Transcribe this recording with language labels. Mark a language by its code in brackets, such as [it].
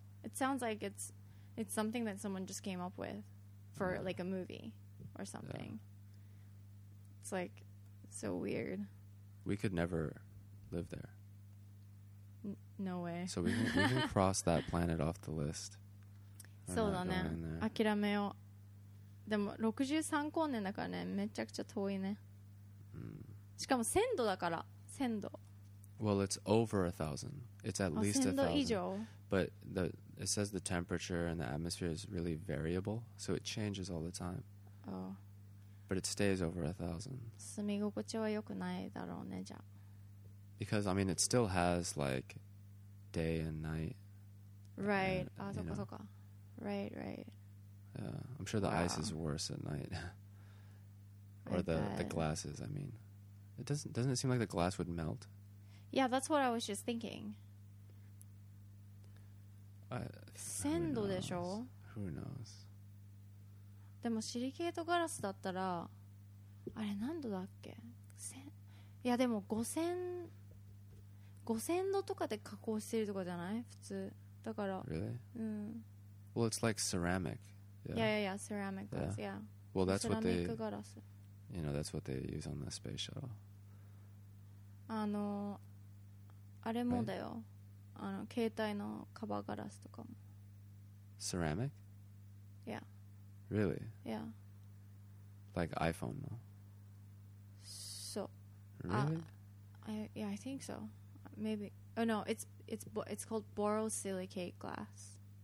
[en] It sounds like it's something that someone just came up with for, yeah, like a movie or something. Yeah. It's like so weird. We could never live there. No way. So we can cross that planet off the list. [ja] そうだね、諦めよう。でも63光年だからね、めちゃくちゃ遠いね、うん、しかも1000度だから。1000度 [en] Well, it's over 1000. It's at least 1000度以上。 But the, it says the temperature and the atmosphere is really variable, so it changes all the time. Oh. But it stays over 1000. [ja] 住み心地は良くないだろうね、じゃあ。 [en] Because, I mean, it still has like day and night. Right. And, [ja] ああ、そっかそっか。 [en] Right, right. Yeah, I'm sure the ice is worse at night. Or the glasses, I mean. Doesn't it seem like the glass would melt? Yeah, that's what I was just thinking. [ja] 鮮度でしょ? [en] Who knows? [ja] でもシリケートガラスだったら、あれ何度だっけ? いやでも5000度とかで加工してるとかじゃない? 普通。だから。 [en] Really? [ja] うん。 [en] Well, it's like ceramic. Yeah, ceramic glass, yeah. Well, that's what they, you know, that's what they use on the space shuttle. [ja] あの、あれもだよ。あの、携帯のカバーガラスとかも。 [en] Ceramic? Yeah. Really? Yeah. Like iPhone, no? So. Really? I think so. Maybe. Oh, no, it's called borosilicate glass.